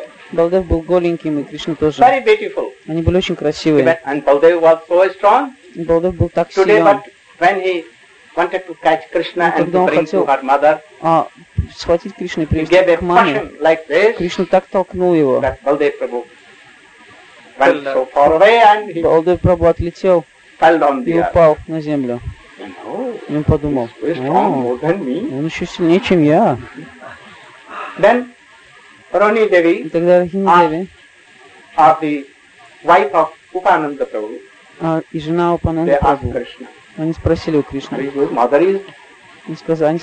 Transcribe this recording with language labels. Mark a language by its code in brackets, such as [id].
[ru] Балдев был голеньким, и Кришна тоже. [en] Very beautiful. [ru] Они были очень красивые. [en] And Baladeva was so strong. [ru] Балдев был так [en] today, [ru] силен. [en] But when he wanted to catch Krishna and bring to her mother, [ru] схватить Кришну и привести к маме, [en] like this, [ru] Кришна так толкнул его. [en] Baladeva Prabhu went so far away and he [ru] Baladeva Prabhu отлетел и упал на землю. И он подумал, он еще сильнее, чем я. [en] Then, Rohini Devi, [ru] тогда Рохини Деви, и жена Упананда Прабху, они спросили у Кришны, они сказали,